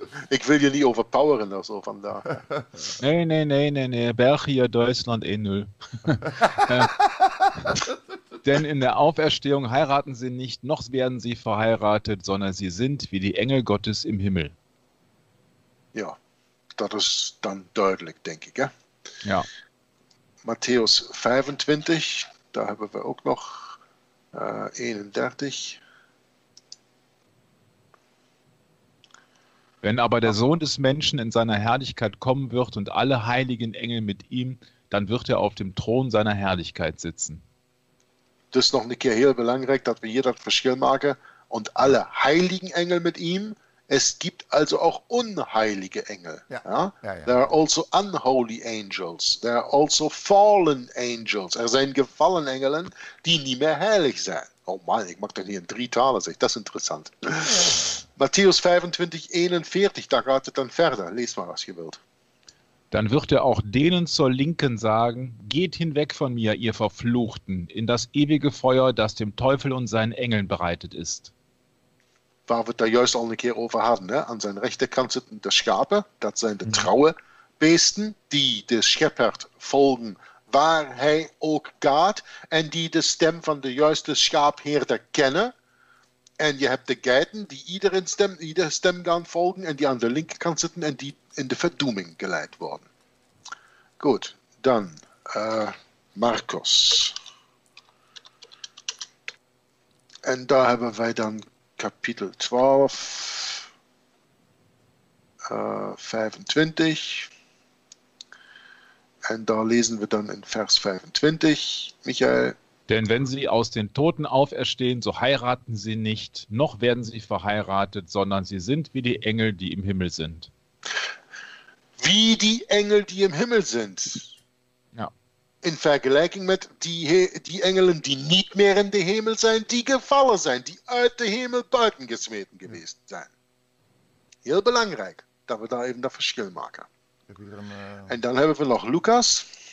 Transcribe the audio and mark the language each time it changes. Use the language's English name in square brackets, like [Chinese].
[German] Ich will dir nicht overpoweren oder so von da. Nee, nee, nee, nee, nee. Belgier, Deutschland, 1-0. Denn in der Auferstehung heiraten sie nicht, noch werden sie verheiratet, sondern sie sind wie die Engel Gottes im Himmel. Ja. [Dutch] Dat is dan duidelijk, denk ik. Hè? Ja. Matthäus 25, daar hebben we ook nog 31. [German] Wenn aber der Sohn des Menschen in seiner Herrlichkeit kommen wird und alle heiligen Engel mit ihm, dann wird er auf dem Thron seiner Herrlichkeit sitzen. Das ist noch eine [Dutch] keer heel belangrijk, dat we hier dat verschil maken. [German] Und alle heiligen Engel mit ihm. Es gibt also auch unheilige Engel. Ja. Ja? Ja, ja. [English] There are also unholy angels. There are also fallen angels. [Dutch] Er zijn gefallen Engelen, die niet meer heilig zijn. Oh man, ik mag dat hier in drie talen zeggen. Dat is interessant. Ja. Matthäus 25, 41, daar gaat het dan verder. Lees maar als je wilt. [German] Dann wird er auch denen zur Linken sagen, geht hinweg von mir, ihr Verfluchten, in das ewige Feuer, das dem Teufel und seinen Engeln bereitet ist. [Dutch] Waar we het daar juist al een keer over hadden. Hè? Aan zijn rechterkant zitten de schapen. Dat zijn de trouwe beesten. Die de schepper volgen waar hij ook gaat. En die de stem van de juiste schaapheerder kennen. En je hebt de geiten die iedere stem gaan volgen. En die aan de linkerkant zitten. En die in de verdoeming geleid worden. Goed, dan Marcus. En daar hebben wij dan... Kapitel 12, 25. En daar lesen we dan in Vers 25, Michael. [German] Denn wenn sie aus den Toten auferstehen, so heiraten sie nicht, noch werden sie verheiratet, sondern sie sind wie die Engel, die im Himmel sind. Wie die Engel, die im Himmel sind. Ja. [Dutch] In vergelijking met die engelen die niet meer in de hemel zijn, die gevallen zijn, die uit de hemel buiten gesmeten geweest zijn. Heel belangrijk dat we daar even dat verschil maken. En dan hebben we nog Lucas.